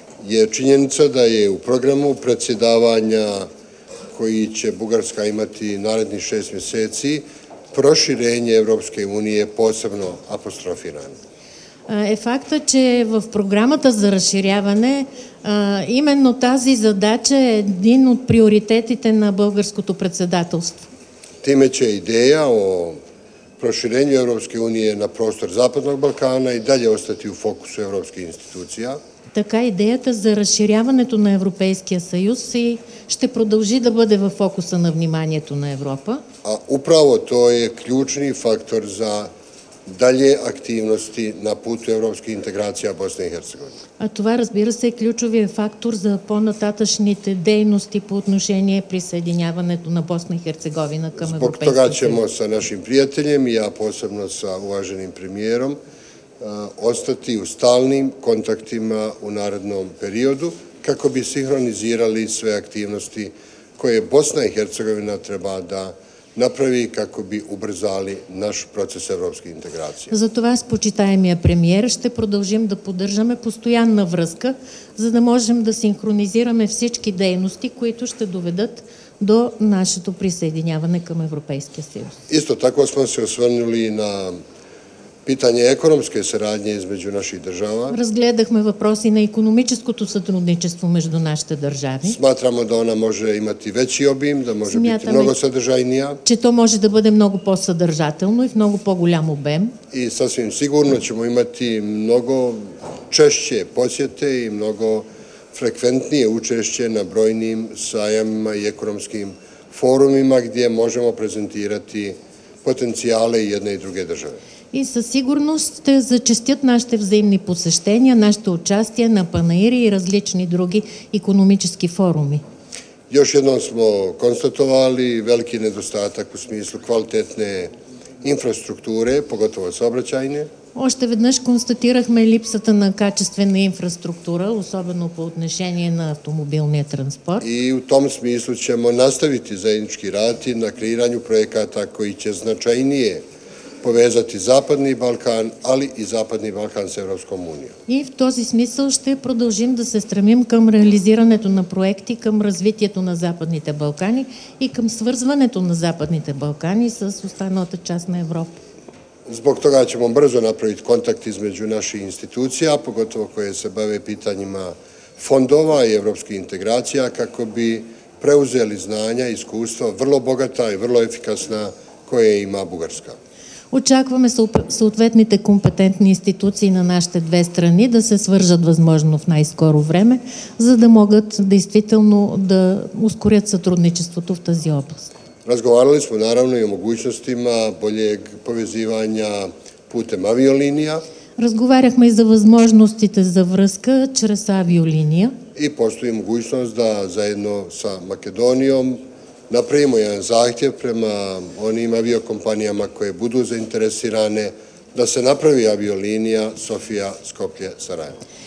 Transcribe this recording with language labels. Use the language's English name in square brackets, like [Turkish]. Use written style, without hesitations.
[Bosnian] е чиненица да е у програму председавања, кои ће Бугарска имати наредни 6 месеци, проширение Европске уније посебно апострофиране. [Bulgarian] Е факта, че в програмата за разширяване именно тази задача е един от приоритетите на българското председателство. [Bosnian] Тиме ће идеја о проширенју Европске уније на простор Западног Балкана и далје остати у фокусу европски институција. [Bulgarian] Така идејата за разширяването на Европейския съюз и ще продължи да бъде в фокуса на вниманието на Европа. [Bosnian] А управо то е ключни фактор за далје активности на путу европски интеграција Босна и Херцеговина. [Bulgarian] А това, разбира се, е ключовия фактор за по-нататъчните дейности по отношение присъединяването на Босна и Херцеговина към Европейския съюз. [Bosnian] Тога ћемо са нашим пријателем и ја посебно са уваженим премиером остати у сталним контактима у наредном периоду како би синхронизирали све активности које Босна и Херцеговина треба да направи како би убрзали наш процес европске интеграције. [Bulgarian] Затова с почитаемия премиер ще продължим да поддържаме постоянна връзка, за да можем да синхронизираме всички дейности, които ще доведат до нашето присъединяване към Европейския съюз. [Bosnian] Исто така сме се освърнули на Питање економске сарадње између наших држава. [Bulgarian] Разгледахме въпроси на економическото сътрудничество между нашите држави. [Bosnian] Сматрамо да она може имати већи обим, да може бити много садржајнија. [Bulgarian] Че то може да бъде много по-садржателно и в много по-голям обем. [Bosnian] И сасвим сигурно ћемо имати много чешће посјете и много фреквентније учешће на бројним сајамима и економским форумима, где можемо презентирати потенцијале једне и друге држави. [Bulgarian] И със сигурност ще зачастят нашите взаимни посещения, нашето участие на панаири и различни други икономически форуми. [Bosnian] Још едно смо констатовали велики недостатък в смисъл квалитетне инфраструктуре, поготово съобраќајне. [Bulgarian] Още веднъж констатирахме липсата на качествена инфраструктура, особено по отношение на автомобилния транспорт. [Bosnian] И в том смисъл ćemo наставити заеднички работи на креирању проекта, кои ће значајније повезати Западни Балкан, али и Западни Балкан с Европском унијом. [Bulgarian] И в този смисъл ще продължим да се стремим към реализирането на проекти, към развитието на Западните Балкани и към свързването на Западните Балкани с останалата част на Европа. [Bosnian] Због тога ćemo брзо направити контакт између наши институции, поготово које се баве питањима фондова и европских интеграција, како би преузели знања и искуство, врло богата и врло ефикасна, које има Бугарска. [Bulgarian] Очакваме съответните компетентни институции на нашите две страни да се свържат възможно в най-скоро време, за да могат действително да ускорят сътрудничеството в тази област. [Bosnian] Разговарали сме наравно и о могучностима болег повезивања путем авиолинија. [Bulgarian] Разговаряхме и за възможностите за връзка чрез авиолинија. [Bosnian] И постои могучност да заедно са Македонијом направимо еден захтев према оним авиокомпанијама које буду заинтересиране да се направи авиолинија София-Скопје-Сарајево.